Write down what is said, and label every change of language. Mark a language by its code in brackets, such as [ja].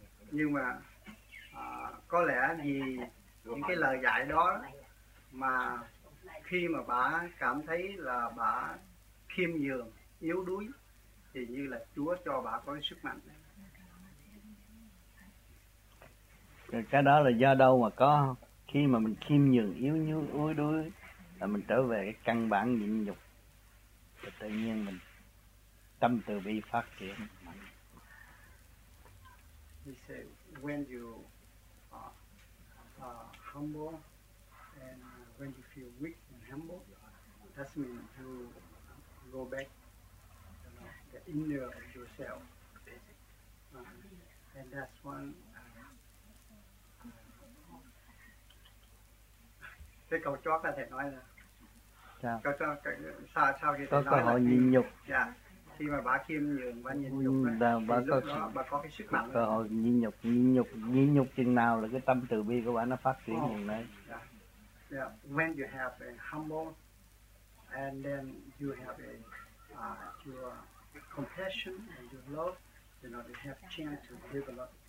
[vi] Nhưng mà có lẽ vì những cái lời dạy đó mà khi mà bà cảm thấy là bà khiêm nhường, yếu đuối thì như là Chúa cho bà có sức mạnh. Cái đó là do đâu mà có không? Khi mà mình khiêm nhường, yếu đuối, là mình trở về cái căn bản nhịn nhục, thì tự nhiên mình tâm từ bi phát triển. [en] He said, when you are humble and when you feel weak and humble, that means to go back, the inner of yourself. And that's one. [vi] Cái câu chót là thầy nói là sao? Sao thì thầy có nói là nhịn nhục. Dạ. Khi mà bà khiêm nhường, bà nhịn nhục đó, bà thì lúc đó bà có cái sức mạnh. Cơ hội nhịn nhục, nhịn nhục chừng nào là cái tâm từ bi của bà nó phát triển như thế. Dạ. [en] When you have a humble and then you have a your compassion and your love, you know, you have chance to develop.